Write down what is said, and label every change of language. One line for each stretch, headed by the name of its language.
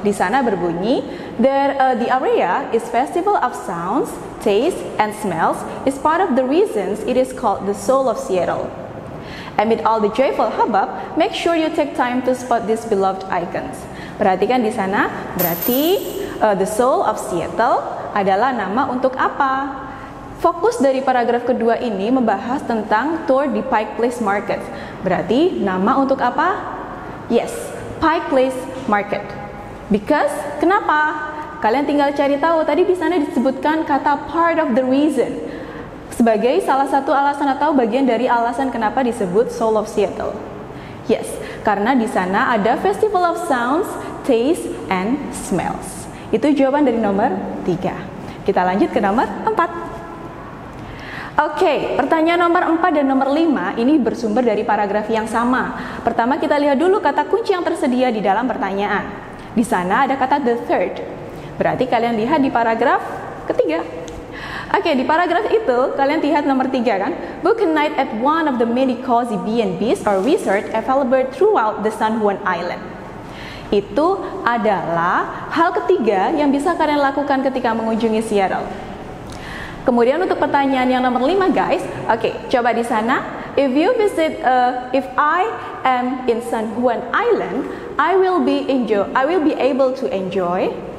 Indonesian: Di sana berbunyi,
English: the area is festival of sounds, taste, and smells is part of the reasons it is called the soul of Seattle. Amid all the joyful hubbub, make sure you take time to spot these beloved icons.
Indonesian: Perhatikan di sana, berarti
English: the soul of Seattle
Indonesian: adalah nama untuk apa? Fokus dari paragraf kedua ini membahas tentang tour di Pike Place Market. Berarti nama untuk apa? Yes, Pike Place Market.
English: Because,
Indonesian: kenapa? Kalian tinggal cari tahu, tadi di sana disebutkan kata
English: part of the reason.
Indonesian: Sebagai salah satu alasan atau bagian dari alasan kenapa disebut Soul of Seattle. Yes, karena di sana ada
English: Festival of Sounds, Taste, and Smells.
Indonesian: Itu jawaban dari nomor 3. Kita lanjut ke nomor 4. Okay, pertanyaan nomor 4 dan nomor 5 ini bersumber dari paragraf yang sama. Pertama kita lihat dulu kata kunci yang tersedia di dalam pertanyaan. Di sana ada kata
English: the third.
Indonesian: Berarti kalian lihat di paragraf ketiga. Oke, di paragraf itu kalian lihat nomor 3 kan?
English: Book a night at one of the many cozy B&Bs or resort available throughout the San Juan Island.
Indonesian: Itu adalah hal ketiga yang bisa kalian lakukan ketika mengunjungi Seattle. Kemudian untuk pertanyaan yang nomor 5 guys, oke, coba di sana.
English: If I am in San Juan Island, I will be able to enjoy.